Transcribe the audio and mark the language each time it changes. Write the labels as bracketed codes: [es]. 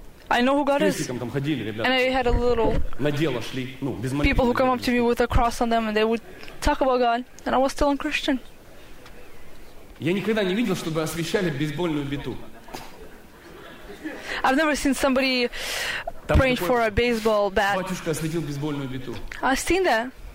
[en] I know who God is. And I had a little people who come up to me with a cross on them, and they would talk about God, and I was still unchristian. [ru] Я никогда не видел, чтобы освещали бейсбольную биту. [en] I've never seen somebody praying for a baseball bat. I've seen that.